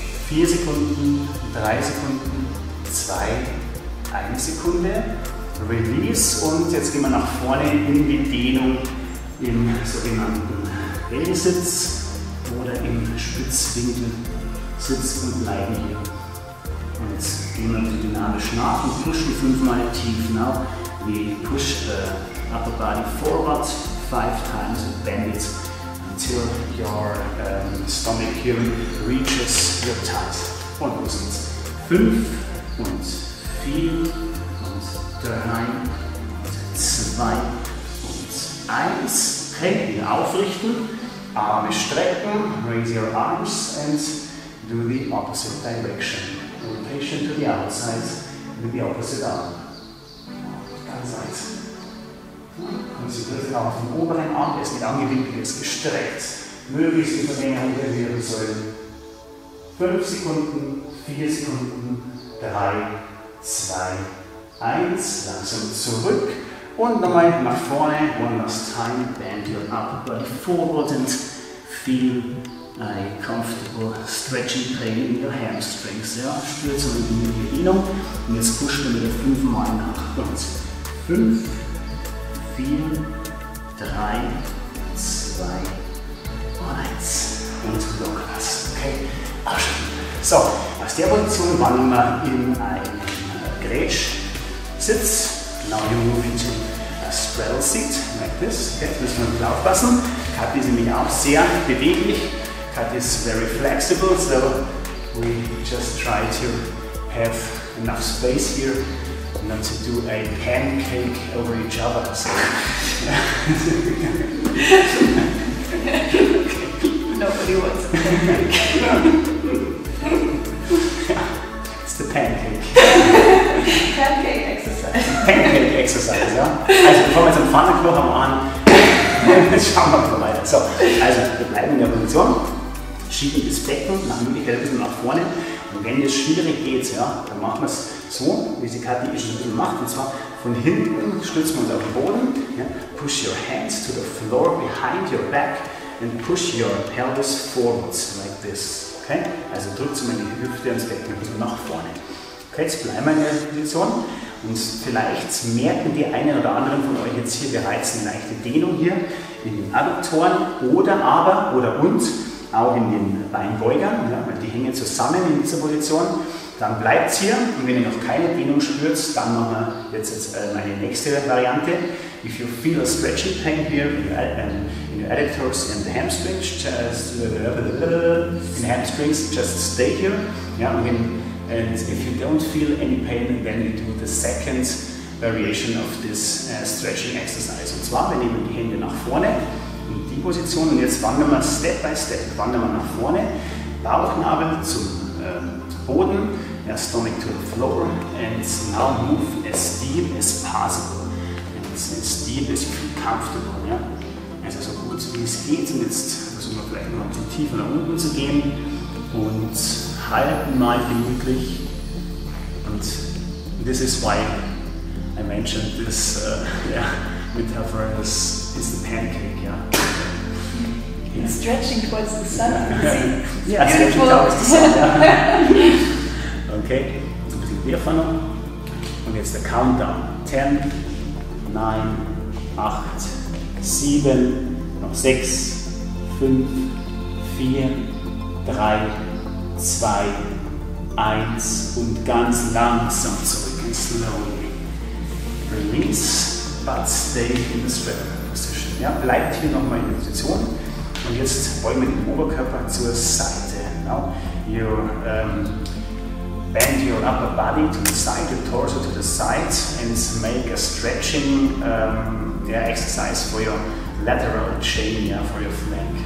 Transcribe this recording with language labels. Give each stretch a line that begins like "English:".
German: 4 Sekunden, 3 Sekunden, 2, 1 Sekunde, Release und jetzt gehen wir nach vorne in die Dehnung im sogenannten L-Sitz oder im Spitzwinkel-Sitz und bleiben hier. Und jetzt gehen wir dynamisch nach und pushen 5-mal tief nach.
English: We push the upper body forward 5 times and bend it. Until your stomach here reaches your tight.
German: Und los geht's. 5 und 4 und 3 und 2 und 1.
English: Okay,
German: aufrichten, Arme strecken,
English: raise your arms and do the opposite direction. Rotation to the other side with the opposite arm.
German: Ganz eins. Und Sie dürfen auch auf den oberen Arm, der ist nicht angewinkelt, ist gestreckt. Möglichst die Verlängerung der Wirbelsäule. 5 Sekunden, 4 Sekunden, 3, 2, 1. Langsam zurück. Und nochmal nach vorne.
English: One last time. Bend your upper body forward and feel ein comfortable stretching Training in your hamstrings. Ja.
German: Spürt so eine gute Bewegung. Und jetzt pushen wir wieder fünfmal nach. Und 5, 4, 3, 2, 1. Und locker lassen. Okay? Abschalten. So, aus der Position wandern wir in einen Grätsch-Sitz.
English: Now you move into a straddle seat, like this.
German: Jetzt müssen wir ein bisschen aufpassen. Kat ist nämlich auch sehr beweglich.
English: Kat is very flexible, so we just try to have enough space here not to do a pancake over each other. So. Nobody wants a pancake. It's the pancake. Pancake exercise. Pancake exercise, ja.
German: Also bevor wir jetzt am Pfannenknochen an, schauen wir mal weiter. So, also wir bleiben in der Position. Schieben das Becken nach Möglichkeit ein bisschen nach vorne. Und wenn es schwierig geht, ja, dann machen wir es so, wie sie Kathi schon ein bisschen macht. Und zwar von hinten stützen wir uns auf den Boden. Ja.
English: Push your hands to the floor behind your back and push your pelvis forwards like this. Okay?
German: Also drückt sie mal die Hüfte ans Becken ein bisschen nach vorne. Okay, jetzt bleiben wir in der Position. Und vielleicht merken die einen oder anderen von euch jetzt hier bereits eine leichte Dehnung hier in den Adduktoren oder auch in den Beinbeugern, ja, weil die hängen zusammen in dieser Position, dann bleibt es hier und wenn ihr noch keine Dehnung spürt, dann machen wir jetzt meine nächste Variante.
English: If you feel a stretching pain here in your adductors and the hamstrings, just stay here. Ja, and if you don't feel any pain, then you do the second variation of this stretching exercise.
German: Und zwar, wir nehmen die Hände nach vorne, die Position und jetzt wandern wir Step by Step, wandern wir nach vorne, Bauchnabel zum Boden, ja,
English: stomach to the floor and now move as deep as possible. And as deep as you feel comfortable. Ja.
German: Also so gut wie es geht und jetzt versuchen wir vielleicht noch ein bisschen tiefer nach unten zu gehen und halten mal gemütlich.
English: Und this is why I mentioned this metaphor, this is the pancake. Yeah. It's stretching towards the sun. Yeah, stretching towards the sun.
German: Okay, jetzt ein bisschen Querfahne. Und jetzt der Countdown. 10, 9, 8, 7, noch 6, 5, 4, 3, 2, 1 und ganz langsam zurück. Slowly.
English: Release, but stay in the straddle position.
German: Ja, bleibt hier nochmal in der Position. Und jetzt wollen wir den Oberkörper zur Seite.
English: Now you bend your upper body to the side, your torso to the side and make a stretching exercise for your lateral chain, yeah, for your flank.